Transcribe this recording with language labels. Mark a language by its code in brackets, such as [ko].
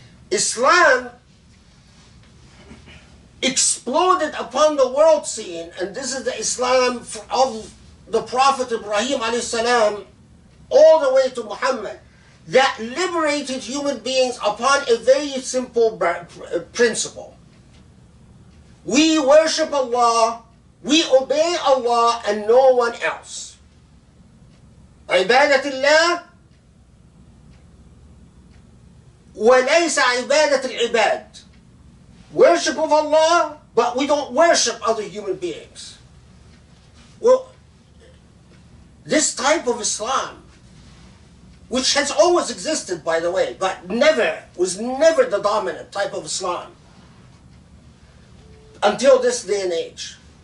[en] Islam exploded upon the world scene, and this is the Islam of the Prophet Ibrahim alayhi salam all the way to Muhammad, that liberated human beings upon a very simple principle. We worship Allah, we obey Allah, and no one else. [ar] عبادة الله وليس عبادة العباد. [en] Worship of Allah, but we don't worship other human beings. Well, this type of Islam, which has always existed, by the way, but was never the dominant type of Islam until this day and age.